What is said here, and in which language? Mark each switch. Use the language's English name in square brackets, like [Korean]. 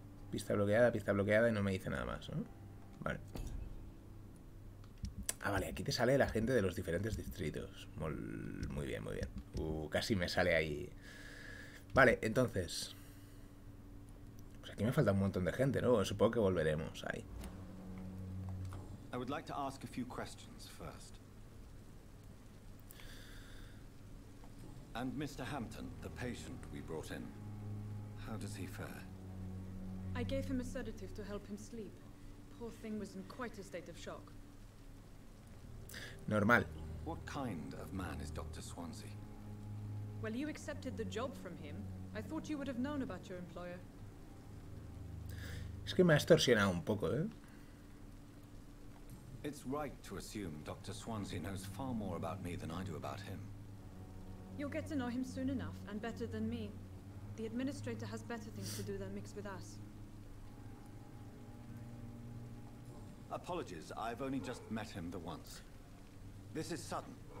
[Spanish] Pista bloqueada y no me dice nada más, ¿no? Vale. Ah, vale, aquí te sale la gente de los diferentes distritos. Muy bien, muy bien. Casi me sale ahí. Vale, entonces. Pues aquí me falta un montón de gente, ¿no? Supongo que volveremos ahí. [English] I would like to ask a few questions first. And Mr. Hampton, the patient we brought in. How does he fare? I gave him a sedative to help him sleep. Poor thing was in quite a state of shock. [Spanish] Normal. [English] What kind of man is Dr. Swansea? Well, you accepted the job from him. I thought you would have known about your employer. [Spanish] Es que me ha extorsionado un poco, ¿eh? [English] It's right to assume Dr. Swansea knows far more about me than I do about him. You'll get to know him soon enough, and better than me. The administrator has better things to do than mix with us. Apologies, I've only just met him the once. This is Sutton.